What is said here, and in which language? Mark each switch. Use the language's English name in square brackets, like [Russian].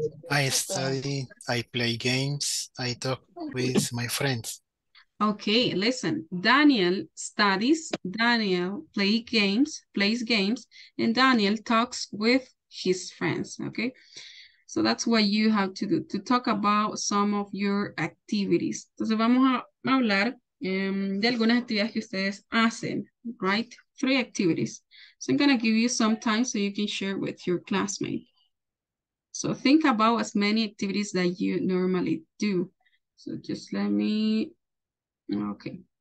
[English] I study, I play games, I talk with my friends. Okay, listen, Daniel studies, Daniel plays games, and Daniel talks with his friends, okay? So that's what you have to do, to talk about some of your activities. [Spanish] Entonces vamos a hablar de algunas actividades que ustedes hacen, right? [English] Three activities. So I'm going to give you some time so you can share with your classmate. So think about as many activities that you normally do. So just let me... Okay.